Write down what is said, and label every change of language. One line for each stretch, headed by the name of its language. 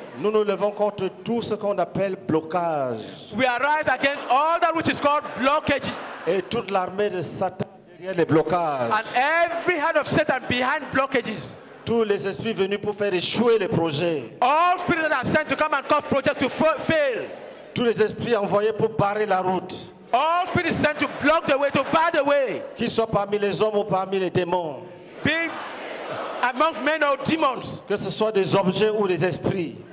French: Nous nous levons contre tout ce qu'on appelle blocage.
English: We arise against all that which is called blockage.
French: Et toute l'armée de Satan derrière les blocages.
English: And every hand of Satan behind blockages.
French: Tous les esprits venus pour faire échouer les projets.
English: All spirits that are sent to come and cause projects to fail.
French: Tous les esprits envoyés pour barrer la route.
English: All spirits sent to block the way, to bar the way.
French: Qu'ils soient parmi les hommes ou parmi les démons.
English: Being among men or demons.
French: Que ce soit des objets ou des esprits.